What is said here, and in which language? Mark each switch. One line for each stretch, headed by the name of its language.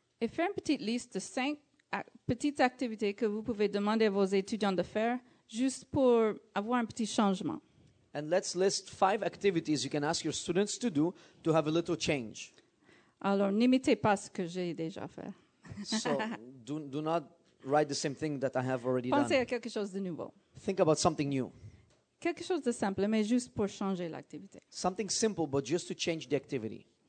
French: Et faire une petite liste de 5 petites activités que vous pouvez demander à vos étudiants de faire, juste pour avoir un petit changement.
English: And let's list 5 activities you can ask your students to do to have a little change.
French: Alors, n'imitez pas ce que j'ai déjà fait.
English: So, do not write the same thing that I have already
French: Pensez
English: done.
French: Pensez à quelque chose de nouveau.
English: Think about something new.
French: Quelque chose de simple, mais juste pour changer l'activité.
English: Something simple, but just to change the activity.